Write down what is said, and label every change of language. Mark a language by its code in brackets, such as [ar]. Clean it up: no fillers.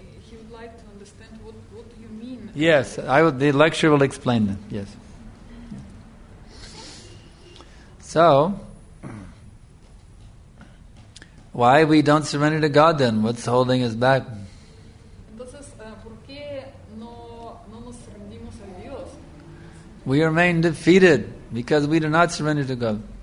[en] He would like to understand what do you mean. Yes, the lecture will explain that. Yes. So, why we don't surrender to God then? What's holding us back? [es] Entonces, ¿por qué no nos rendimos a Dios? [en] We remain defeated because we do not surrender to God.